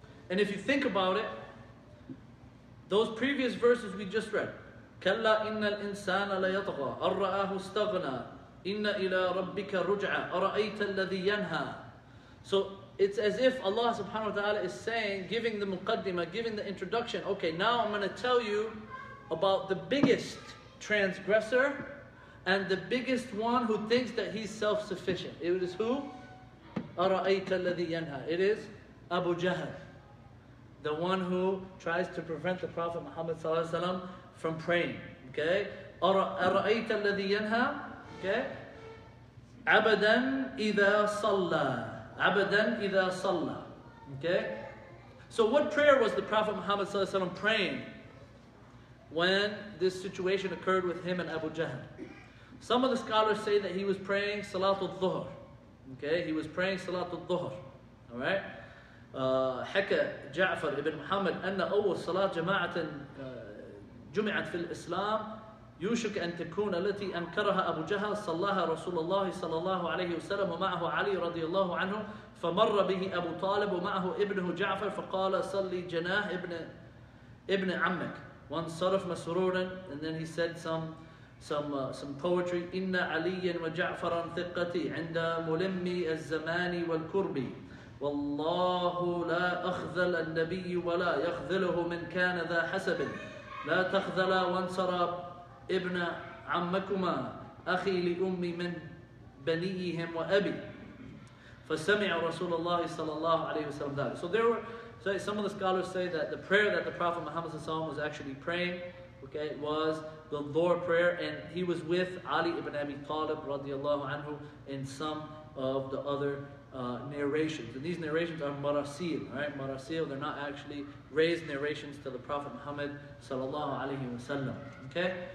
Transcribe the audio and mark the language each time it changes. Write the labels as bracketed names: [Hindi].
[English] And if you think about it, those previous verses we just read, [Arabic] كلا إن الإنسان ليطغى أرآه استغنى إن إلى ربك رجعى أرأيت الذي ينهى. [English] So it's as if Allah subhanahu wa ta'ala is saying, giving the muqaddimah, giving the introduction, okay, now I'm going to tell you about the biggest transgressor and the biggest one who thinks that he's self-sufficient. It is who? [Arabic] أرأيت الذي ينهى. [English] It is Abu Jahl. The one who tries to prevent the Prophet Muhammad sallallahu alaihi wasallam from praying. Okay? [Arabic] أَرَأَيْتَ الَّذِي يَنْهَى. Okay? عَبَدًا إِذَا صَلَّى. عَبَدًا إِذَا صَلَّى. [English] Okay? So what prayer was the Prophet Muhammad sallallahu alaihi wasallam praying when this situation occurred with him and Abu Jahl? Some of the scholars say that he was praying Salatul Dhuhr. Okay? He was praying Salatul Dhuhr. Alright? [Arabic] حكى جعفر ابن محمد أن أول صلاة جماعة جمعت في الإسلام يوشك أن تكون التي أنكرها أبو جهل صلاها رسول الله صلى الله عليه وسلم ومعه علي رضي الله عنه فمر به أبو طالب ومعه ابنه جعفر فقال صلي جناح ابن عمك وانصرف مسرورا. [English] And then he said some poetry. [Arabic] إن عليا وجعفرا ثقتي عند ملمي الزمان والكربي والله لا أخذل النبي ولا يخذله من كان ذا حسب لا تخذلا وانصرا ابن عمكما أخي لأمي من بنيهم وأبي فسمع رسول الله صلى الله عليه وسلم ذلك. [English] So there were, so some of the scholars say that the prayer that the Prophet Muhammad [Arabic] صلى الله عليه وسلم [English] was actually praying, okay, was the Dhuhr prayer, and he was with Ali ibn Abi Talib [Arabic] رضي الله عنه [English] in some of the other narrations. And these narrations are marasil, right? Marasil, they're not actually raised narrations to the Prophet Muhammad sallallahu alayhi wa sallam. Okay?